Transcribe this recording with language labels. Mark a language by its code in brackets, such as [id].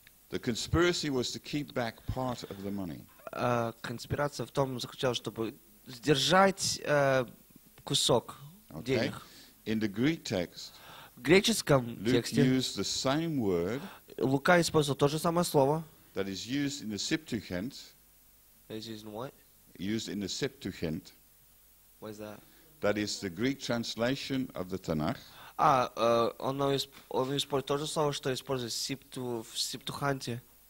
[en] The conspiracy was to keep back part of the money. [ru] Конспирация в том заключалась, чтобы сдержать кусок денег. [en] In the Greek text, [ru] в греческом [en] Luke [ru] тексте [en] used the same word, [ru] Лука использовал то же самое слово, [en] that is used in the Septuagint. It is used in what? Used in the Septuagint. What is that? That is the Greek translation of the Tanakh. [ru] Он использует то же слово, что использует Септу в Септуханте.